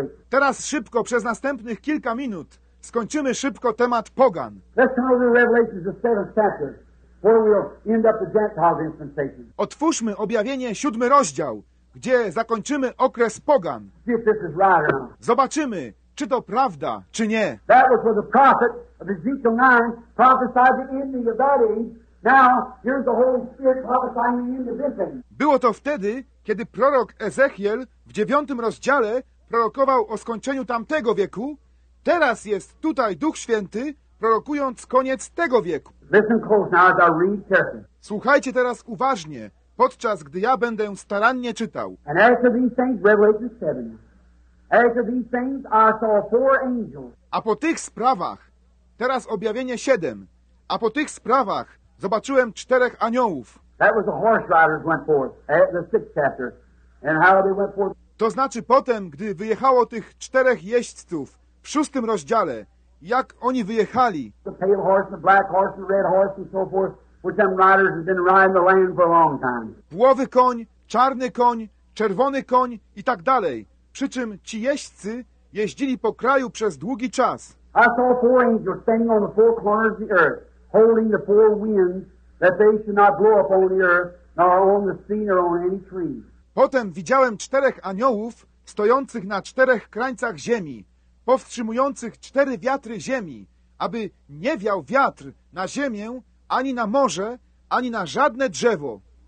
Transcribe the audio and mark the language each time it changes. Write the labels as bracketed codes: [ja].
[pl] Teraz szybko, przez następnych kilka minut, skończymy szybko temat pogan. [en] Let's turn to the Revelation, the seventh chapter. Where we'll end up the Gentile dispensation. [pl] Otwórzmy objawienie 7 rozdział, gdzie zakończymy okres pogan. [en] See if this is right or not. [pl] Zobaczymy, czy to prawda, czy nie. [en] That was where the prophet of Ezekiel 9 prophesied the ending of that age. Now, here's the Holy Spirit prophesying the end of this age. [pl] Było to wtedy, kiedy prorok Ezechiel w 9 rozdziale prorokował o skończeniu tamtego wieku. Teraz jest tutaj Duch Święty, prorokując koniec tego wieku. [en] Listen close now as I read carefully. [pl] Słuchajcie teraz uważnie, podczas gdy ja będę starannie czytał. [en] And as to these things, Revelation 7, as to these things I saw four angels. [pl] A po tych sprawach, teraz objawienie 7, a po tych sprawach zobaczyłem czterech aniołów. [en] That was the horse riders went forth, at the sixth chapter, and how they went forth. [pl] To znaczy potem, gdy wyjechało tych czterech jeźdźców w 6 rozdziale, jak oni wyjechali. [en] The pale horse, the black horse, the red horse and so forth, which them riders have been riding the land for a long time. [pl] Błowy koń, czarny koń, czerwony koń i tak dalej. Przy czym ci jeźdźcy jeździli po kraju przez długi czas. [en] I saw four angels standing on the four corners of the earth, holding the four winds, that they should not blow upon the earth, nor on the sea, nor on any tree. [pl] Potem widziałem czterech aniołów stojących na czterech krańcach ziemi, powstrzymujących cztery wiatry ziemi, aby nie wiał wiatr na ziemię, ani na morze, ani na żadne drzewo.